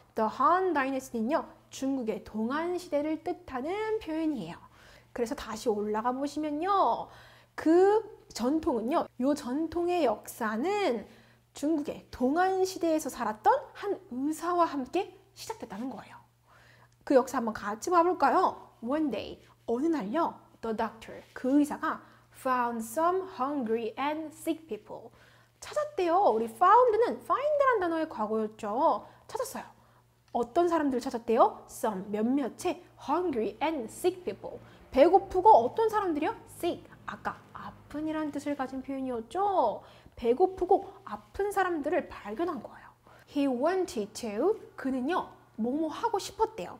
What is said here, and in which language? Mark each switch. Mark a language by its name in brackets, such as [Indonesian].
[Korean] The Han Dynasty는요, 중국의 동안시대를 뜻하는 표현이에요. 그래서 다시 올라가 보시면요, 그 전통은요, 요 전통의 역사는 중국의 동안시대에서 살았던 한 의사와 함께 시작됐다는 거예요. 그 역사 한번 같이 봐볼까요? [English] One day, [Korean] 어느 날요, [English] the doctor, [Korean] 그 의사가 [English] found some hungry and sick people. [Korean] 찾았대요. 우리 found는 find란 단어의 과거였죠. 찾았어요. 어떤 사람들을 찾았대요? [English] Some, [Korean] 몇몇의 [English] hungry and sick people. [Korean] 배고프고 어떤 사람들이요? Sick, 아까 아픈이라는 뜻을 가진 표현이었죠. 배고프고 아픈 사람들을 발견한 거예요. [English] He wanted to, [Korean] 그는요, 뭐뭐 하고 싶었대요.